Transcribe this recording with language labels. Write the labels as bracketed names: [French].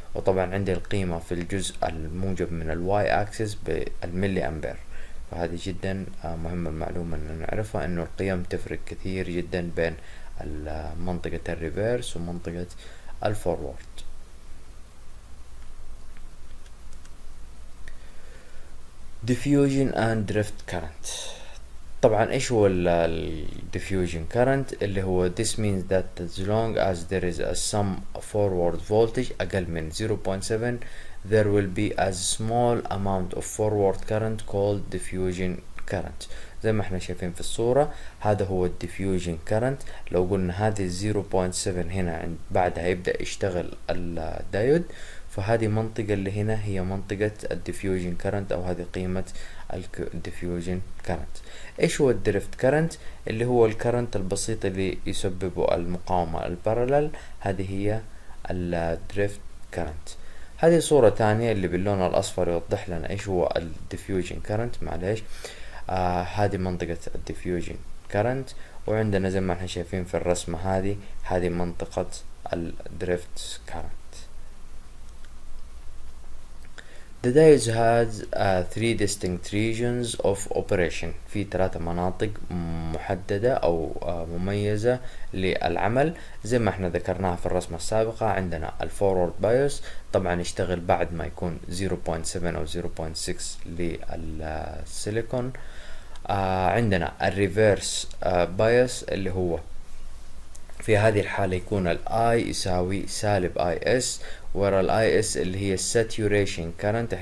[Arabic] وطبعا عندي القيمة في الجزء الموجب من الـ Y axis بالملي أمبير، فهذه جدا مهمة المعلومة أن نعرفها أنه القيم تفرق كثير جدا بين منطقة الريفيرس ومنطقة الفورورد. دلوقتي ديفيوجن اند دريفت كارنت. طبعا ايش هو ال [English] diffusion current؟ اللي هو this means that as long as there is a some forward voltage [Arabic] اقل من [English] 0.7 there will be a small amount of forward current called diffusion current. [Arabic] زي ما احنا شايفين في الصورة هذا هو ال diffusion current. لو قلنا هذه 0.7 هنا عند بعدها يبدأ يشتغل ال diode، فهذه منطقة اللي هنا هي منطقة ال diffusion current او هذه قيمة الديفيوجن كارنت. ايش هو الدريفت كارنت؟ اللي هو الكارنت البسيط اللي يسببه المقاومة البارلل، هذه هي الدريفت كارنت. هذه صورة ثانية اللي باللون الاصفر يوضح لنا ايش هو الديفيوجن كارنت. معليش، هذه منطقة الديفيوجن كارنت، وعندنا زي ما احنا شايفين في الرسمة هذه منطقة الدريفت كارنت. [English] The diodes had three distinct regions of operation. [Arabic] في ثلاثة مناطق محددة أو مميزة للعمل. زي ما احنا ذكرناها في الرسمة السابقة عندنا ال forward bias، طبعا يشتغل بعد ما يكون 0.7 أو 0.6 للسيليكون. عندنا ال reverse bias اللي هو في هذه الحالة يكون ال I يساوي سالب IS، ورا ال IS اللي هي saturation current.